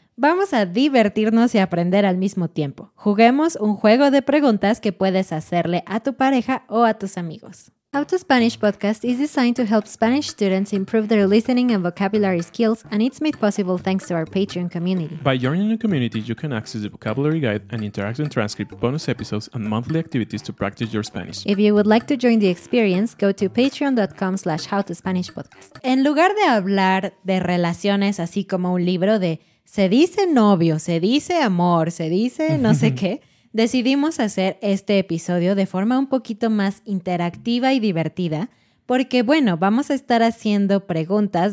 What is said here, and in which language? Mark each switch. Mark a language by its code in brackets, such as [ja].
[es] Vamos a divertirnos y aprender al mismo tiempo. Juguemos un juego de preguntas que puedes hacerle a tu pareja o a tus amigos. [en] How to Spanish Podcast is designed to help Spanish students improve their listening and vocabulary skills, and it's made possible thanks to our Patreon community. By joining the community, you can access the vocabulary guide, an interactive transcript, bonus episodes, and monthly activities to practice your Spanish. If you would like to join the experience, go to patreon.com/howtospanishpodcast. [es] En lugar de hablar de relaciones así como un libro de se dice novio, se dice amor, se dice no sé qué, decidimos hacer este episodio de forma un poquito más interactiva y divertida porque, bueno, vamos a estar haciendo preguntas.